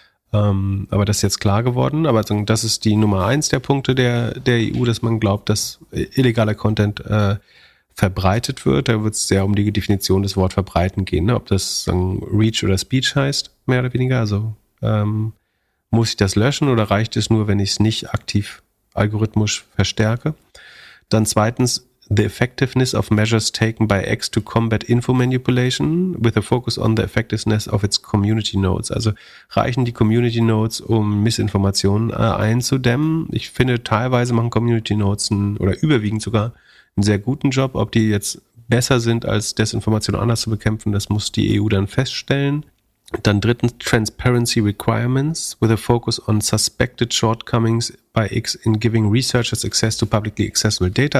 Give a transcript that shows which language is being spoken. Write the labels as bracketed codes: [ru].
[de] Aber das ist jetzt klar geworden. Aber das ist die Nummer 1 der Punkte der EU, dass man glaubt, dass illegaler Content verbreitet wird. Da wird es sehr um die Definition des Wort verbreiten gehen, ne? Ob das Reach oder Speech heißt, mehr oder weniger. Also muss ich das löschen oder reicht es nur, wenn ich es nicht aktiv algorithmisch verstärke? Dann zweitens, [en] the effectiveness of measures taken by X to combat info manipulation with a focus on the effectiveness of its community nodes. [de] Also reichen die Community Nodes, um Missinformationen einzudämmen? Ich finde, teilweise machen Community Nodes oder überwiegend sogar einen sehr guten Job. Ob die jetzt besser sind, als Desinformation anders zu bekämpfen, das muss die EU dann feststellen. Dann drittens, [en] Transparency Requirements with a focus on suspected shortcomings by X in giving researchers access to publicly accessible data.